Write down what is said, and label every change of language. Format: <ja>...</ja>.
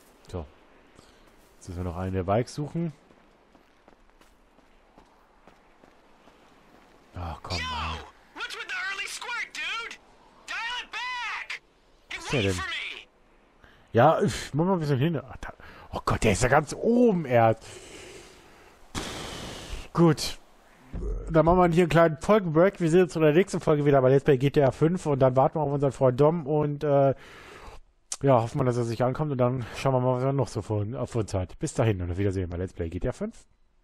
<de>So. Jetzt müssen wir noch einen der Bikes suchen. Ach komm.</de> <en>Yo! What's with the early squirt, dude? Dial it back!</en> <de>Was ist denn? Ja, mach mal ein bisschen hin. Ach, da, oh Gott, der ist ja ganz oben, erst. Gut. Dann machen wir hier einen kleinen Folgenbreak. Wir sehen uns in der nächsten Folge wieder bei Let's Play GTA 5 und dann warten wir auf unseren Freund Dom und ja, hoffen wir, dass er sich ankommt und dann schauen wir mal, was er noch so vor uns hat. Bis dahin und auf Wiedersehen bei Let's Play GTA 5.</de>